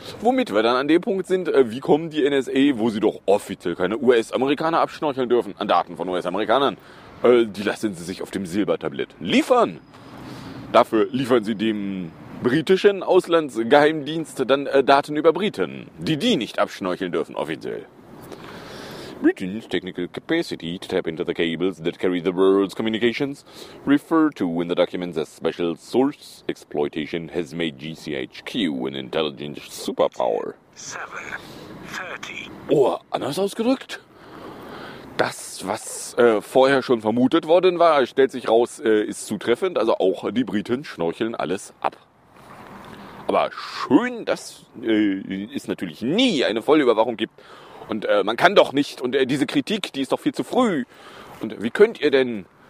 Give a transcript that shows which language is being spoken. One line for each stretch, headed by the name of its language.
German: Womit wir dann an dem Punkt sind, wie kommen die NSA, wo sie doch offiziell keine US-Amerikaner abschnorcheln dürfen, an Daten von US-Amerikanern, die lassen sie sich auf dem Silbertablett liefern. Dafür liefern sie dem britischen Auslandsgeheimdienst dann Daten über Briten, die nicht abschnorcheln dürfen offiziell.
English: Britain's technical capacity to tap into the cables that carry the world's communications, referred to in the documents as special source exploitation, has made GCHQ an intelligent superpower.
German: 7:30. Oh, anders ausgedrückt? Das, was vorher schon vermutet worden war, stellt sich raus, ist zutreffend. Also auch die Briten schnorcheln alles ab. Aber schön, dass es natürlich nie eine Vollüberwachung gibt. Und man kann doch nicht. Und diese Kritik, die ist doch viel zu früh. Und wie könnt ihr denn?